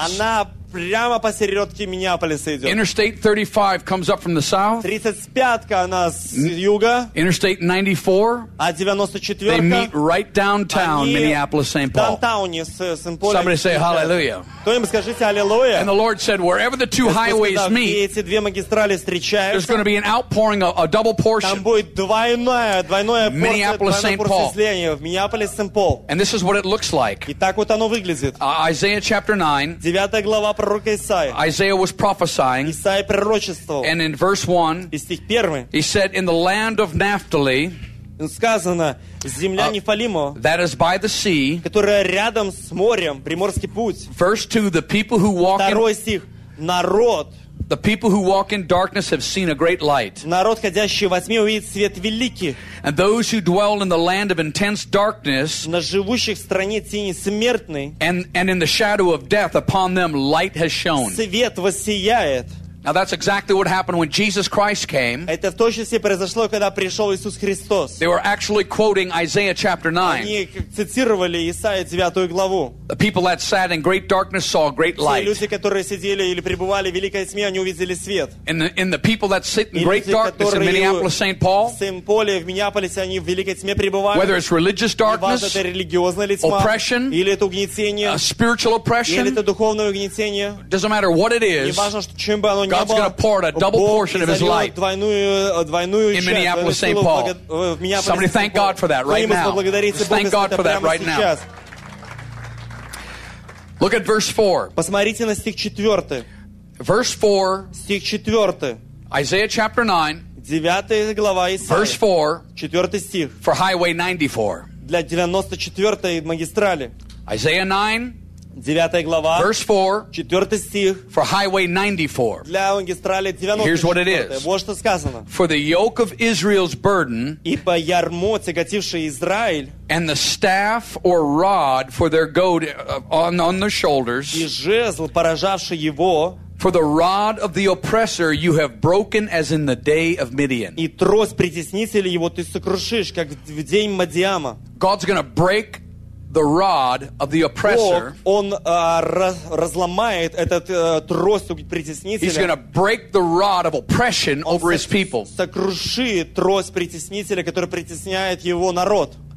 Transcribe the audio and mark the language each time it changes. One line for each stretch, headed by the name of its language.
Russian: Она прямо посередке Миннеаполиса идет.
English: Interstate 35 comes up from the south.
Russian: 35-ка она с юга.
English: Interstate 94, they meet right downtown Minneapolis-St. Paul.
Russian: Downtown-е с Сент-Полем.
English: Somebody say hallelujah.
Russian: Кто-нибудь скажите аллилуйя.
English: And the Lord said, wherever the two highways meet,
Russian: эти две магистрали встречаются,
English: there's going to be an outpouring of a double portion.
Russian: Там будет двойное
English: Minneapolis-St. Paul.
Russian: В Миннеаполис-Сент Пол.
English: And this is what it looks like.
Russian: И так вот оно выглядит.
English: Isaiah chapter 9.
Russian: 9 глава.
English: Isaiah was prophesying.
Russian: Исаия пророчествовал.
English: And in verse 1,
Russian: и стих 1,
English: he said, "In the land of Naphtali,
Russian: сказано, земля Нефалима,
English: that is by the sea,
Russian: которая рядом с морем, приморский путь."
English: Verse 2, the people who walk
Russian: второй стих, народ.
English: The people who walk in darkness have seen a great light.
Russian: Народ, ходящий во тьме, увидит свет великий.
English: And those who dwell in the land of intense darkness,
Russian: на живущих в стране тени смертной,
English: and in the shadow of death, upon them light has shone.
Russian: Свет воссияет.
English: Now that's exactly what happened when Jesus Christ came.
Russian: Это в точности произошло, когда пришел Иисус Христос.
English: They were actually quoting Isaiah chapter 9.
Russian: Они цитировали Исаия 9 главу.
English: The people that sat in great darkness saw great light.
Russian: Те люди, которые сидели или пребывали в великой тьме, они увидели свет.
English: And the people that sit in great darkness in Minneapolis-St. Paul,
Russian: в Сент-Поле, в Миннеаполисе, они в великой тьме пребывали.
English: Whether it's religious darkness,
Russian: неважно, это религиозная ли тьма,
English: oppression,
Russian: или это угнетение,
English: spiritual oppression,
Russian: или это духовное угнетение,
English: doesn't matter what it is,
Russian: неважно, что чем бы оно
English: God's going to pour a double portion of His light in Minneapolis-St. Paul. Somebody thank God for that right now. Just thank God for that right now. Look at verse 4.
Russian: Посмотрите на стих 4.
English: Verse 4.
Russian: Стих 4.
English: Isaiah chapter 9.
Russian: 9 глава Исаии.
English: Verse 4.
Russian: 4 стих.
English: For Highway 94.
Russian: Для 94-й магистрали.
English: Isaiah 9.
Russian: 9 глава.
English: Verse 4.
Russian: 4 стих.
English: For Highway 94.
Russian: Для магистрали 94.
English: Here's what it is.
Russian: Вот что сказано.
English: For the yoke of Israel's burden.
Russian: И по ярму тяготивший Израиль.
English: And the staff or rod for their goad on their shoulders.
Russian: И жезл поражавший его.
English: For the rod of the oppressor you have broken as in the day of Midian.
Russian: И трость притеснителя его ты сокрушишь, как в день Мадиама.
English: God's going to break the rod of the oppressor.
Russian: Он разломает этот трость притеснителя.
English: He's going to break the rod of oppression over his people.
Russian: Сокрушит трость притеснителя, который притесняет его народ.